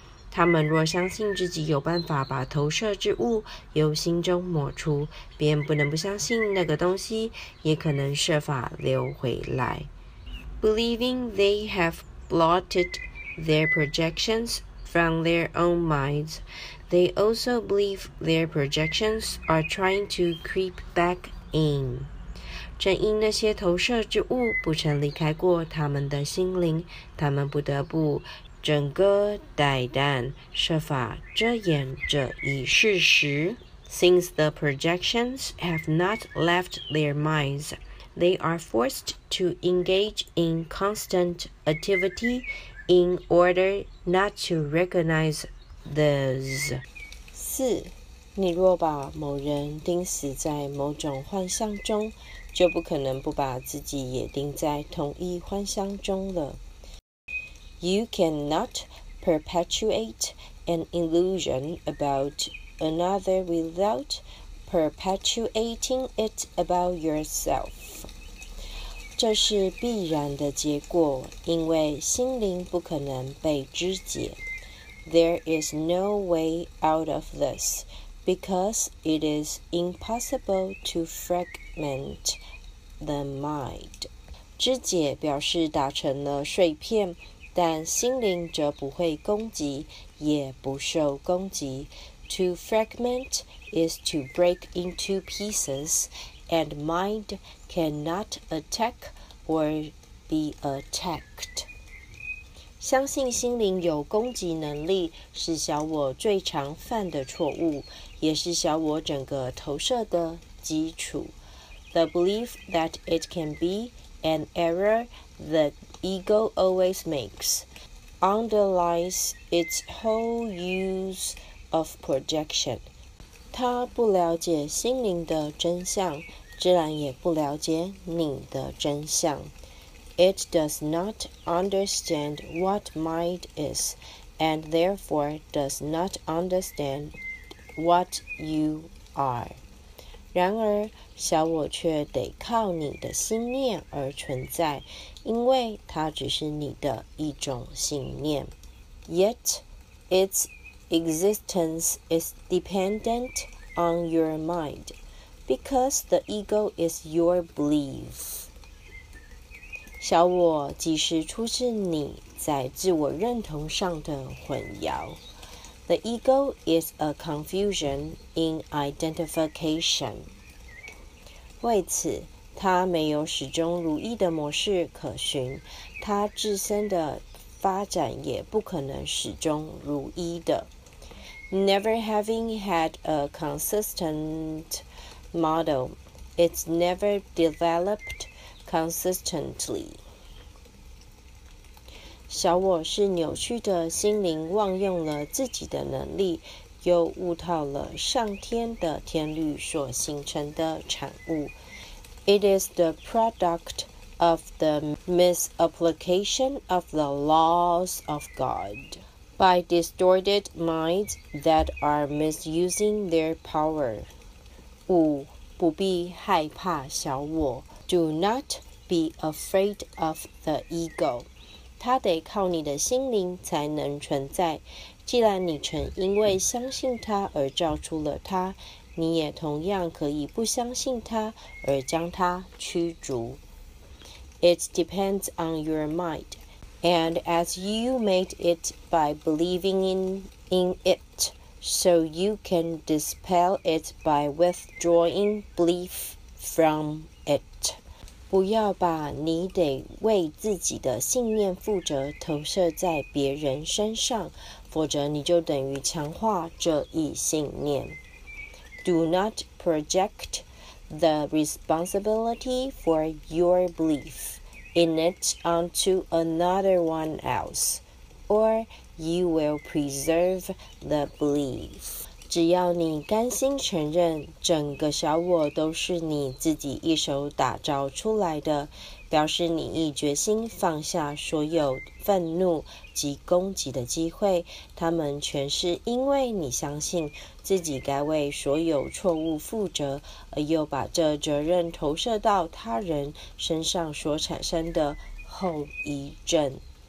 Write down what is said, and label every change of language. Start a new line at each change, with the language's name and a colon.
Chinese: 他们若相信自己有办法把投射之物由心中抹除，便不能不相信那个东西也可能设法流回来。
English: Believing they have blotted their projections from their own minds, they also believe their projections are trying to creep back in.
Chinese: 正因那些投射之物不曾离开过他们的心灵，他们不得不整个歹胆设法遮掩这一事实。
English: Since the projections have not left their minds, they are forced to engage in constant activity in order not to recognize these.
Chinese: 四，你若把某人钉死在某种幻象中，就不可能不把自己也钉在同一幻象中了。
English: You cannot perpetuate an illusion about another without perpetuating it about yourself.
Chinese: 这是必然的结果，因为心灵不可能被肢解。
English: There is no way out of this, because it is impossible to fragment the mind.
Chinese: 肢解表示打成了碎片，但心灵则不会攻击，也不受攻击。
English: To fragment is to break into pieces, and mind cannot attack or be attacked.
Chinese: 相信心灵有攻击能力，是小我最常犯的错误，也是小我整个投射的基础。
English: The belief that it can be an error the ego always makes underlies its whole use of projection.
Chinese: 他不了解心灵的真相，自然也不了解你的真相。
English: It does not understand what mind is, and therefore does not understand what you are.
Chinese: 然而，小我却得靠你的心念而存在，因为它只是你的一种信念。
English: Yet, its existence is dependent on your mind, because the ego is your belief.
Chinese: 小我即使出自你在自我认同上的混淆。
English: The ego is a confusion in identification.
Chinese: 为此，它没有始终如一的模式可循，它自身的发展也不可能始终如一的。
English: Never having had a consistent model, it's never developed consistently.
Chinese: 小我是扭曲的心灵，妄用了自己的能力，又误套了上天的天律所形成的产物。
English: It is the product of the misapplication of the laws of God by distorted minds that are misusing their power.
Chinese: 五，不必害怕小我。
English: Do not be afraid of the ego.
Chinese: 它得靠你的心灵才能存在，既然你曾因为相信它而造出了它，你也同样可以不相信它而将它驱逐。
English: It depends on your mind, and as you made it by believing in it, so you can dispel it by withdrawing belief from it.
Chinese: 不要把你得为自己的信念负责投射在别人身上，否则你就等于强化这一信念。
English: Do not project the responsibility for your belief in it onto another one else, or you will preserve the belief.
Chinese: 只要你甘心承认整个小我都是你自己一手打造出来的，表示你已决心放下所有愤怒及攻击的机会，他们全是因为你相信自己该为所有错误负责，而又把这责任投射到他人身上所产生的后遗症。